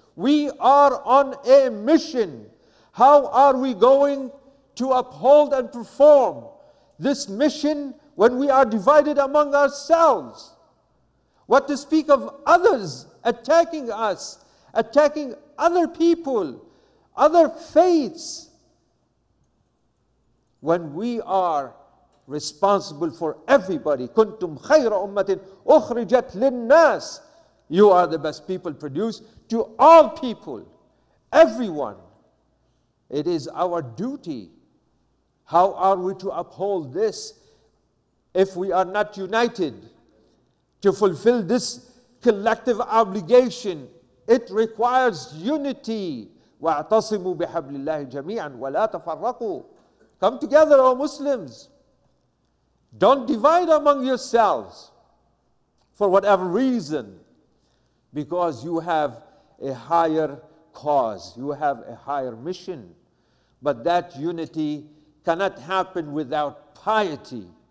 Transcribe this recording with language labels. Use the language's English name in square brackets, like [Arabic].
[English] We are on a mission. How are we going to uphold and perform this mission when we are divided among ourselves? What to speak of others attacking us, attacking other people, other faiths, when we are responsible for everybody? [Arabic] كنتم خير أمة أخرجت للناس. [English] You are the best people produced to all people, everyone. It is our duty. How are we to uphold this if we are not united to fulfill this collective obligation? It requires unity. [Arabic] واعتصموا بحبل الله جميعا ولا تفرقوا. [English] Come together, O Muslims. Don't divide among yourselves for whatever reason, because you have a higher cause, you have a higher mission. But that unity cannot happen without piety.